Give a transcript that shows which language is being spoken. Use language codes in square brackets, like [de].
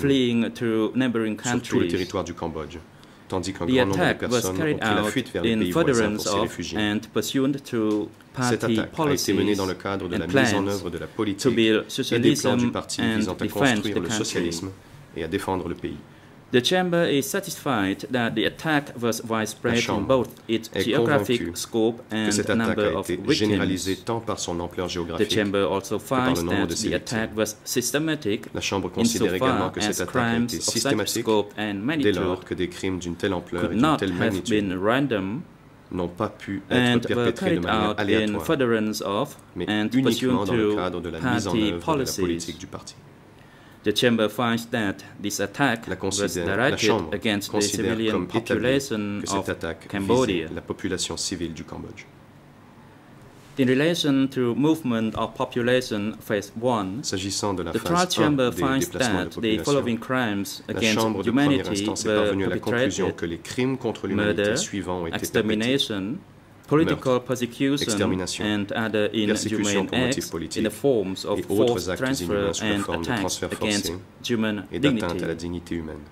[en] fleeing to neighboring countries. [fr] Sur tout le territoire du Cambodge, tandis qu'un [en] the [fr] grand nombre de personnes ont pris la fuite vers les pays voisins pour s'y réfugier. Cette attaque a été menée dans le cadre de la mise en œuvre de la politique et des plans du parti visant à construire le socialisme et à défendre le pays. [en] The chamber is satisfied that the attack was widespread in both its geographic scope and number of victims. The chamber also finds that the attack was systematic insofar as crimes of such scope and magnitude could not have been random [fr] n'ont pas pu être perpétrés de manière aléatoire, mais uniquement dans le cadre de la mise en œuvre de la politique du parti. [en] The chamber finds that this attack was directed against the civilian population of Cambodia. [fr] La population civile du Cambodge. [en] In relation to movement of population phase 1, the trial chamber finds that the following crimes against humanity were perpetrated: murder, extermination, political persecution, and other inhumane acts in the forms of forced transfer and attacks against human dignity.